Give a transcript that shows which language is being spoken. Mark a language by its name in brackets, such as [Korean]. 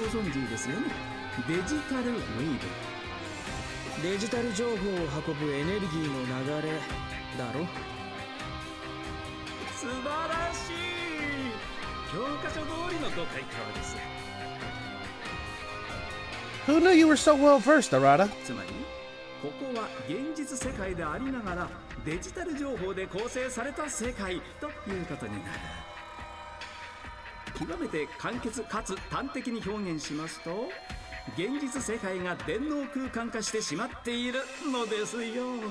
[Japanese] ご存知ですよね。デジタルウェーブ。デジタル情報を運ぶエネルギーの流れだろ。素晴らしい。教科書通りのご回答です。 [English] Who knew you were so well versed, Arata? [Japanese] つまり、ここは現実世界でありながらデジタル情報で構成された世界ということになる。極めて簡潔かつ端的に表現しますと、現実世界が電脳空間化してしまっているのですよ。